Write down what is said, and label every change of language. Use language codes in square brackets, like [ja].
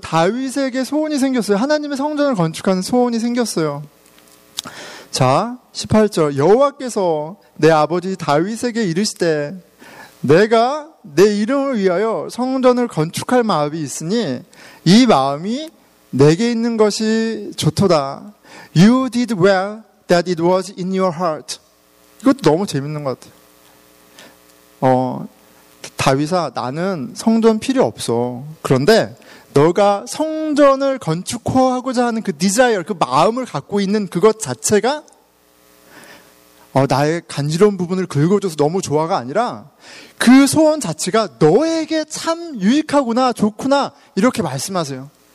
[ko] 다윗에게 소원이 생겼어요. 하나님의 성전을 건축하는 소원이 생겼어요. 자, 18절. 여호와께서 내 아버지 다윗에게 이르시되, 내가 내 이름을 위하여 성전을 건축할 마음이 있으니 이 마음이 내게 있는 것이 좋도다. [en] You did well that it was in your heart. [ko] 이것도 너무 재밌는 것 같아요. 다윗아, 나는 성전 필요 없어. 그런데 너가 성전을 건축하고자 하는 그 디자이어, 그 마음을 갖고 있는 그것 자체가 나의 간지러운 부분을 긁어줘서 너무 좋아가 아니라 그 소원 자체가 너에게 참 유익하구나, 좋구나, 이렇게 말씀하세요.